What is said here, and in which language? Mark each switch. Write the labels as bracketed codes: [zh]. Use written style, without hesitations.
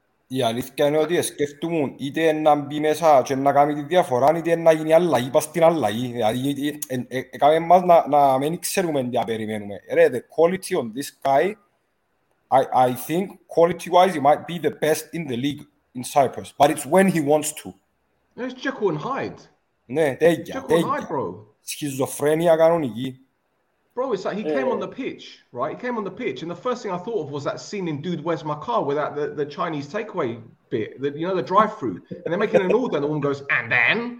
[el] Η αλήθεια είναι ότι σκέφτομουν είτε να μπει μέσα και να κάνει τη διαφορά, είτε να γίνει αλλαγή, πας στην αλλαγή. Έκαμε μας να μην ξέρουμε τι περιμένουμε. [en] Ρε, the quality on this guy, I think quality-wise, he might be the best in the league in Cyprus, but it's when he wants to. It's Jekyll and Hyde. [el] Ναι, τέγια, [en] Jekyll and Hyde, bro. [el] Σχιζοφρένεια κανονική. [en] Bro, it's like he came on the pitch, right? He came on the pitch, and the first thing I thought of was that scene in Dude, Where's My Car, where that the Chinese takeaway bit, the, you know, the drive-thru, and they're making an order, and the woman goes, and then.